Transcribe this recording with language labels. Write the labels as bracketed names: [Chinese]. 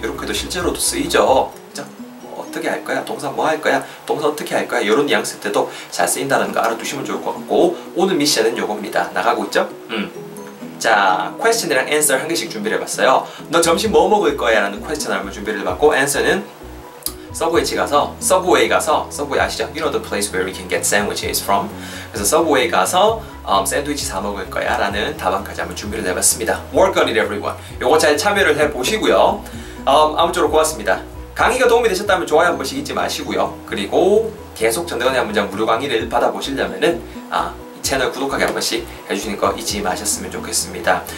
[Korean] 이렇게도 실제로도 쓰이죠. 어떻게 할 거야? 동사 뭐 할 거야? 동사 어떻게 할 거야? 이런 뉘앙스 때도 잘 쓰인다는 거 알아두시면 좋을 것 같고 오늘 미션은 요겁니다. 나가고 있죠? 자, 퀘스천이랑 answer 한 개씩 준비를 해봤어요. 너 점심 뭐 먹을 거야? 라는 퀘스천 한번 준비를 해봤고 answer는 서브웨이 가서 서브웨이 아시죠? [English] You know the place where we can get sandwiches from. [Korean] 그래서 서브웨이 가서 샌드위치 사 먹을 거야? 라는 답안까지 한번 준비를 해봤습니다. [English] Work on it, everyone. [Korean] 요거 잘 참여를 해보시고요. 아무쪼록 고맙습니다. 강의가 도움이 되셨다면 좋아요 한 번씩 잊지 마시고요. 그리고 계속 전대건의 한 문장 무료 강의를 받아보시려면은 채널 구독하기 한 번씩 해주시는 거 잊지 마셨으면 좋겠습니다.